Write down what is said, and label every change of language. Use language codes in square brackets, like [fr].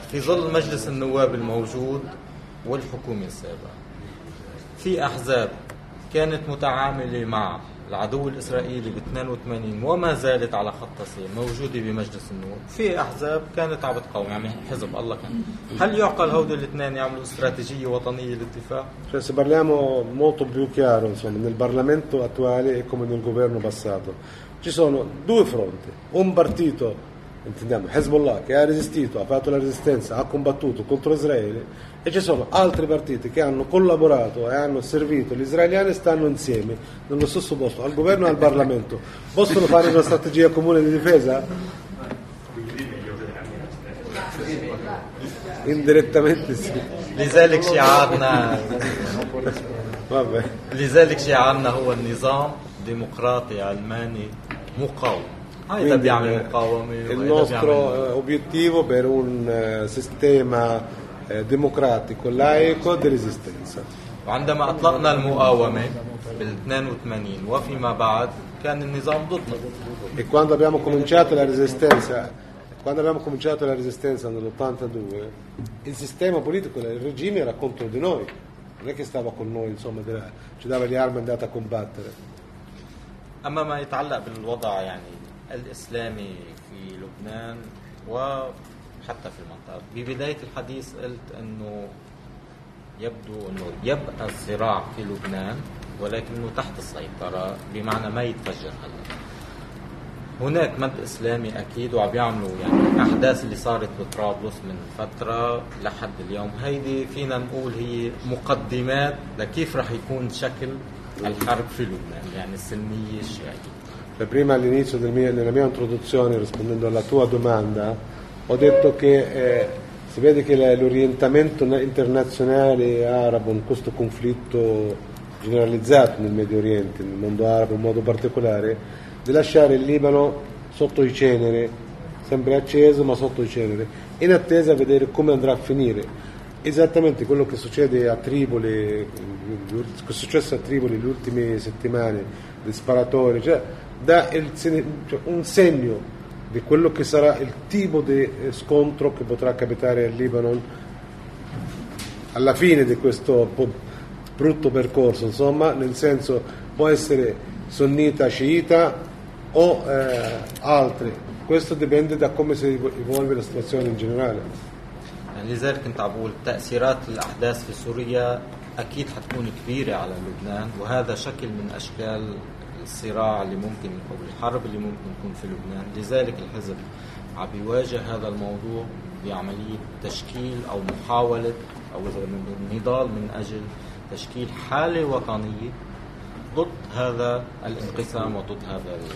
[ar] في ظل مجلس النواب الموجود والحكومة السابقة في أحزاب كانت متعاملة مع العدو الإسرائيلي ب 82 وما زالت على خط تسليم موجودة بمجلس النواب. في أحزاب كانت عم تقاوم، يعني حزب الله كان. هل يعقل هؤلاء الاثنين يعملوا استراتيجية وطنية للدفاع؟ [it] Se parliamo molto più chiaro, insomma, nel Parlamento attuale e come nel governo passato, ci sono due fronti. Un partito, intendiamo Hezbollah, che ha resistito, ha fatto la resistenza, ha combattuto contro Israele, e ci sono altri partiti che hanno collaborato e hanno servito gli israeliani, stanno insieme nello stesso posto al governo e al Parlamento. Possono fare una strategia comune di difesa? Indirettamente sì. [ar] لذلك شعارنا [it] vabbè [ar] لذلك شعارنا هو النظام ديمقراطي علماني مقاوم. [it] Quindi, il nostro obiettivo per un sistema democratico laico di resistenza. [ar] عندما اطلقنا المقاومه بال82 وفيما بعد كان النظام ضدنا. [it] E quando abbiamo cominciato la resistenza, quando abbiamo cominciato la resistenza nell'82, il sistema politico, il regime era contro di noi. Non è che stava con noi, insomma, ci dava le armi e andava a combattere. [ar] Amma ma يتعلق بالوضع يعني الإسلامي في لبنان وحتى في المنطقة. ببداية الحديث قلت أنه يبدو أنه يبقى الصراع في لبنان ولكنه تحت السيطرة، بمعنى ما يتفجر. هلا هناك مد إسلامي أكيد وعم يعملوا، يعني الأحداث اللي صارت بطرابلس من فترة لحد اليوم هيدي فينا نقول هي مقدمات لكيف رح يكون شكل الحرب في لبنان، يعني السلمية الشيعية. [it] Prima all'inizio nella mia introduzione, rispondendo alla tua domanda, ho detto che si vede che l'orientamento internazionale arabo in questo conflitto generalizzato nel Medio Oriente, nel mondo arabo in modo particolare, di lasciare il Libano sotto i ceneri, sempre acceso ma sotto i ceneri, in attesa a vedere come andrà a finire. Esattamente quello che succede a Tripoli, che è successo a Tripoli le ultime settimane, le sparatorie, cioè dà un segno di quello che sarà il tipo di scontro che potrà capitare al Libano alla fine di questo brutto percorso, insomma, nel senso può essere sunnita, sciita o altri. Questo dipende da come si evolve la situazione in generale. [ar] لذلك كنت أقول تأثيرات الأحداث في سوريا أكيد حتكون كبيرة على لبنان، وهذا شكل من أشكال الصراع اللي ممكن أو الحرب اللي ممكن يكون في لبنان. لذلك الحزب عم بيواجه هذا الموضوع بعملية تشكيل أو محاولة أو نضال من أجل تشكيل حالة وطنية ضد هذا الانقسام وضد هذا